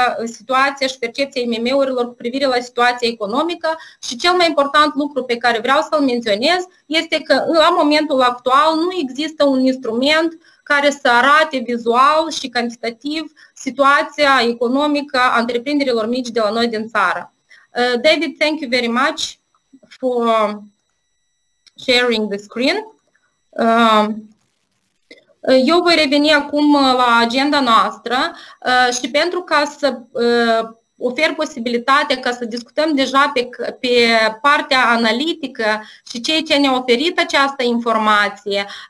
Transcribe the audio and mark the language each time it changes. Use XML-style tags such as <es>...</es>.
<ro>situația și percepția IMM-urilor cu privire la situația economică și cel mai important lucru pe care vreau să-l menționez este că la momentul actual nu există un instrument care să arate vizual și cantitativ situația economică a întreprinderilor mici de la noi din țară.</ro> <en>David, thank you very much for sharing the screen.</en> <ro>Eu voi reveni acum la agenda noastră și pentru ca să ofer posibilitatea ca să discutăm deja pe partea analitică și ceea ce ne-a oferit această informație.</ro>